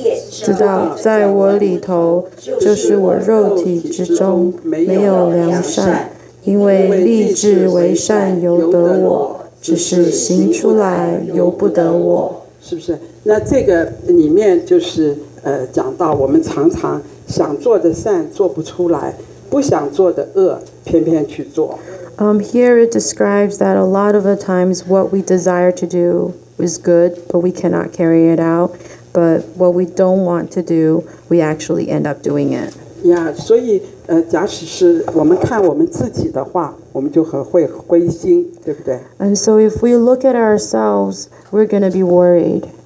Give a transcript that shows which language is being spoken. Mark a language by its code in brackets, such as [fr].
[zh] 知道在我里头，就是我肉体之中没有良善，因为立志为善由得我，只是行出来由不得我。是不是？那这个里面就是讲到我们常常想做的善做不出来，不想做的恶偏偏去做。 [en] Here it describes that a lot of the times what we desire to do is good, but we cannot carry it out. But what we don't want to do, we actually end up doing it. [zh] Yeah, 所以假使是我们看我们自己的话，我们就很会灰心，对不对？ [en] And so if we look at ourselves, we're going to be worried.